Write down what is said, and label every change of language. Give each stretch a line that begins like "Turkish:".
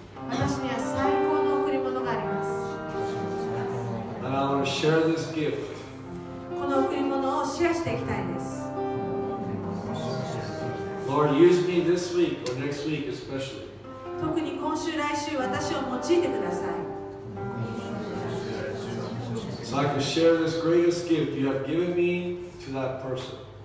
Japanese: 私には最高の贈り物があります。
English: And I want to share this gift.
Japanese: この贈り物をシェアしていきたいです。
English: Lord, use me this week or next week especially.
Japanese: 特に今週来週私を用いてください。
English: So I can share this greatest gift you have given me to that person.